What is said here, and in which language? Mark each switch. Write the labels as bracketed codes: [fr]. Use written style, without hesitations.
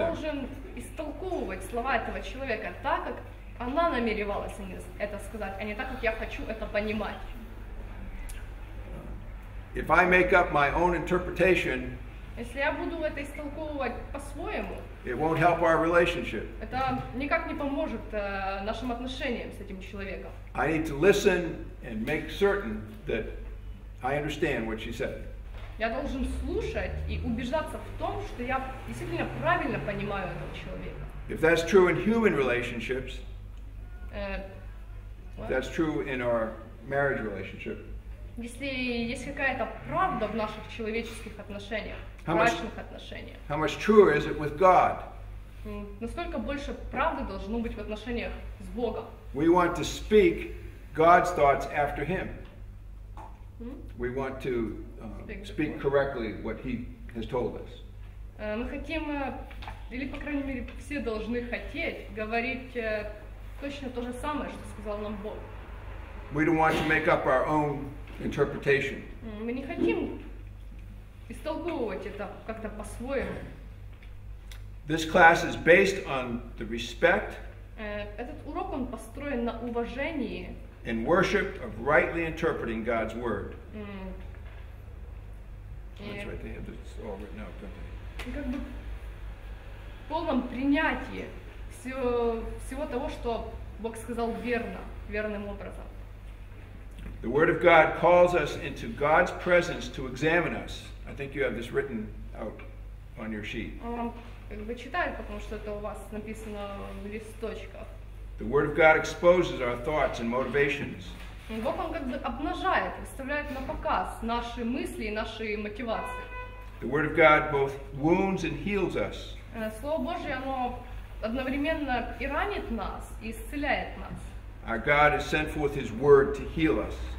[ru] Я должен истолковывать слова этого человека так, как она намеревалась мне это сказать, а не так, как я хочу это понимать. [en] If I make up my own interpretation, [ru] Если я буду это истолковывать по-своему, [en] it won't help our relationship. [ru] Это никак не поможет нашим отношениям с этим человеком. [en] I need to listen and make certain that I understand what she said. [ru] Я должен слушать и убеждаться в том, что я действительно правильно понимаю этого человека. [en] If that's true in human relationships, that's true in our marriage relationship. [ru] Если есть какая-то правда в наших человеческих отношениях, брачных отношениях. [en] How much truer is it with God? [ru] Насколько больше правды должно быть в отношениях с Богом? [en] We want to speak God's thoughts after Him. We want to speak correctly what He has told us. [ru] Мы хотим, или по крайней мере все должны хотеть, говорить точно то же самое, что сказал нам Бог. [en] We don't want to make up our own interpretation. [ru] Мы не хотим истолковывать это как-то по-своему. [en] This class is based on the respect. [ru] Этот урок он построен на уважении. [en] In worship of rightly interpreting God's word. That's right. They have this all written out, don't they? [ru] Как бы в полном принятии всего того, что Бог сказал верно, верным образом. [en] The word of God calls us into God's presence to examine us. I think you have this written out on your sheet. [ru] Вы читали, потому что это у вас написано в листочках. [en] The word of God exposes our thoughts and motivations. [ru] Бог он как бы обнажает, выставляет на показ наши мысли и наши мотивации. [en] The word of God both wounds and heals us. [ru] Слово Божье оно одновременно и ранит нас, и исцеляет нас. [en] Our God has sent forth His word to heal us.